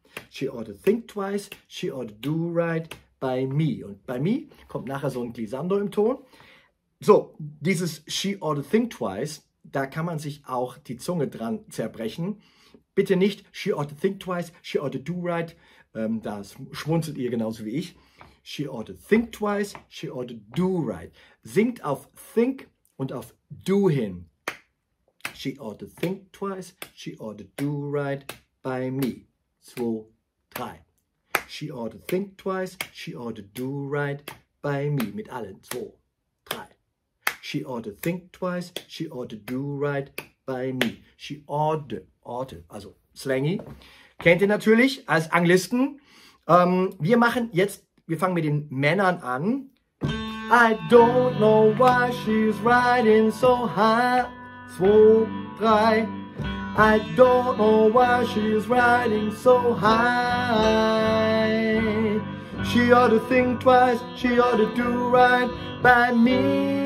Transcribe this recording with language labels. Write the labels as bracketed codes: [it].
[en] She ought to think twice, she ought to do right by me. [de] Und bei me kommt nachher so ein Glissando im Ton. So, dieses [en] she ought to think twice, [de] da kann man sich auch die Zunge dran zerbrechen. Bitte nicht [en] she ought to think twice, she ought to do right. [de] Das schmunzelt ihr genauso wie ich. [en] She ought to think twice, she ought to do right. [de] Singt auf think und auf do hin. [en] She ought to think twice, she ought to do right by me. 2, 3. She ought to think twice, she ought to do right by me. [de] Mit allen. [en] 2, 3. She ought to think twice, she ought to do right by me. She ought to, also slangy. [de] Kennt ihr natürlich als Anglisten. Wir machen jetzt, wir fangen mit den Männern an. [en] I don't know why she's riding so high. 2, 3. I don't know why she's riding so high. She ought to think twice, she ought to do right by me.